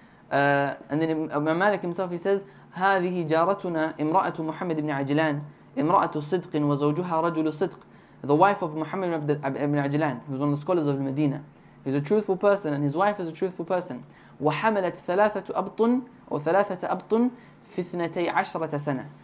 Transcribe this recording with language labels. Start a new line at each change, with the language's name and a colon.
English: And then Imam Malik himself, he says,
Arabic: هذه جارتنا امرأة محمد بن عجلان امرأة صدق وزوجها رجل صدق.
English: The wife of Muhammad ibn Ajlan, who's one of the scholars of Medina. He's a truthful person and his wife is a truthful person.
Arabic: وحملت ثلاثة أبطن أو ثلاثة أبطن في 12
English: years.